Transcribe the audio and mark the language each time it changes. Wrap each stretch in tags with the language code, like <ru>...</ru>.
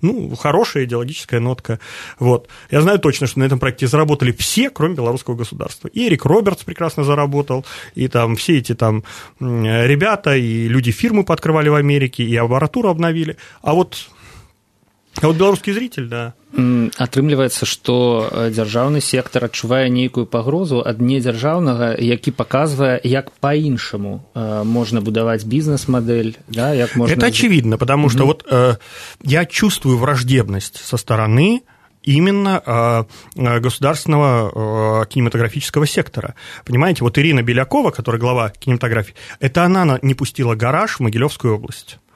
<ru>Ну, хорошая идеологическая нотка. Вот. Я знаю точно, что на этом проекте заработали все, кроме белорусского государства. И Эрик Робертс прекрасно заработал, и там все эти там ребята, и люди фирмы пооткрывали в Америке, и аппаратуру обновили. А вот белорусский зритель, да.</ru> <be>Атрымліваецца, што дзяржаўны сектар адчувае нейкую пагрозу ад недзяржаўнага, які паказвае, як па-іншаму можна будаваць бізнес-мадэль, да, як можна.</be> <ru>Это очевидно, потому что вот я чувствую враждебность со стороны именно государственного кинематографического сектора. Понимаете, вот Ирина Белякова, которая глава кинематографии, это она не пустила гараж в Могилевскую область.</ru>